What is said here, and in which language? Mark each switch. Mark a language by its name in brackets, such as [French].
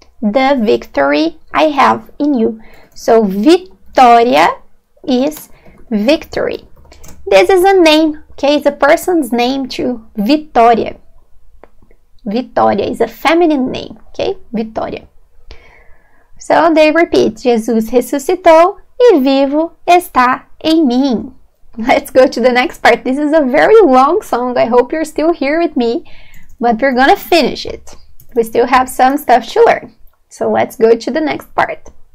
[English] The victory I have in you. So, vitória is victory. This is a name, okay? It's a person's name too. Vitória. Vitória is a feminine name, okay? Vitória. So, they repeat. [Portuguese] Jesus ressuscitou e vivo está em mim. [English] Let's go to the next part. This is a very long song. I hope you're still here with me. But we're gonna finish it. We still have some stuff to learn. So, let's go to the next part.